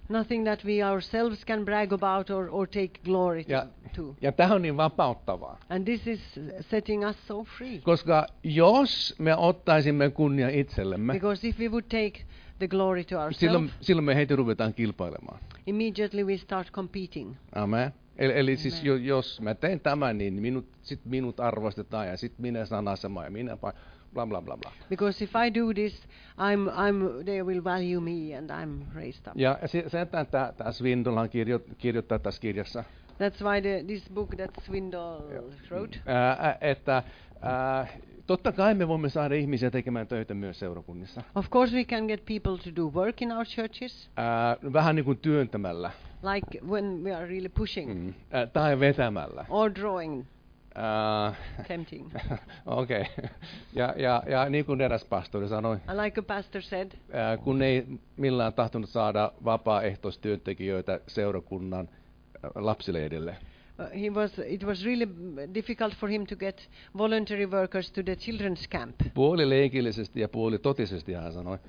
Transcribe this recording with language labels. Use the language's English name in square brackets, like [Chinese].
[English] Nothing that we ourselves can brag about or take glory to. [Finnish] Ja tämä on niin vapauttavaa. [English] And this is setting us so free. [Finnish] Koska jos me ottaisimme kunnia itsellemme. [English] Because if we would take the glory to ourselves. [Finnish] Silloin me heti ruvetaan kilpailemaan. [English] Immediately we start competing. [Finnish] Amen. Eli amen. Siis jos mä teen tämän, niin minut arvostetaan ja sit minä sanan asema ja minä bla bla bla bla. [English] Because if I do this, I'm they will value me and I'm raised up. [Finnish] Ja se tämä Svindolan kirjoittaa tässä kirjassa. [English] That's why the, this book that Swindoll wrote. [Finnish] Että totta kai me voimme saada ihmisiä tekemään töitä myös seurakunnissa. [English] Of course we can get people to do work in our churches. [Finnish] Vähän niin kuin työntämällä. [English] Like when we are really pushing. Mm. [Finnish] Tai vetämällä. [English] Or drawing. Tempting. [Finnish] Okei. [English] Okay. [Finnish] Ja niin kuin eräs pastori sanoi. [English] Like a pastor said. [Finnish] Kun ei millään tahtonut saada vapaaehtoistyöntekijöitä seurakunnan lapsileidille. [English] It was really difficult for him to get voluntary workers to the children's camp. [Finnish] Puoli leikillisesti ja puoli totisesti hän sanoi.